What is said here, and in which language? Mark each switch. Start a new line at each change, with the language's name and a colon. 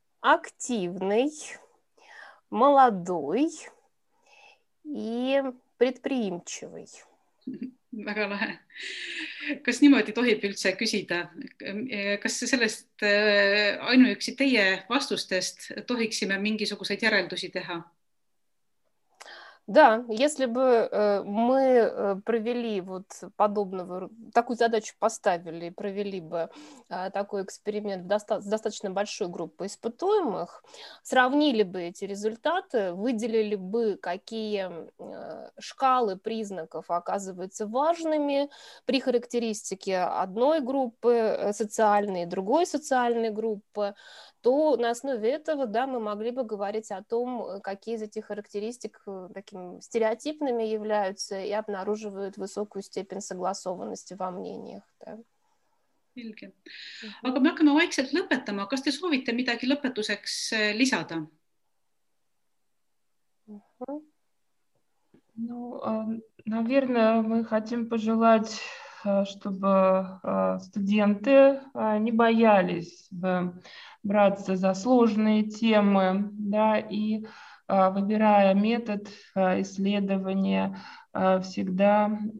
Russian: Aktiivnei, maladui ja predpriimtsevõi.
Estonian: Väga lahe. Kas niimoodi tohib üldse küsida? Kas sellest ainuüksi teie vastustest tohiksime mingisuguseid järeldusi teha?
Russian: Да, если бы мы провели вот подобного, такую задачу поставили, провели бы такой эксперимент с достаточно большой группой испытуемых, сравнили бы эти результаты, выделили бы, какие шкалы признаков оказываются важными при характеристике одной группы социальной, другой социальной группы, то на основе этого, да, мы могли бы говорить о том, какие из этих характеристик такими стереотипными являются и обнаруживают высокую степень согласованности во мнениях. Да.
Estonian: Selge. Aga me hakkame vaikselt lõpetama. Kas te soovite midagi lõpetuseks lisada?
Russian: Ну, наверное, мы хотим пожелать, чтобы студенты не боялись бы браться за сложные темы, да, и выбирая метод исследования, всегда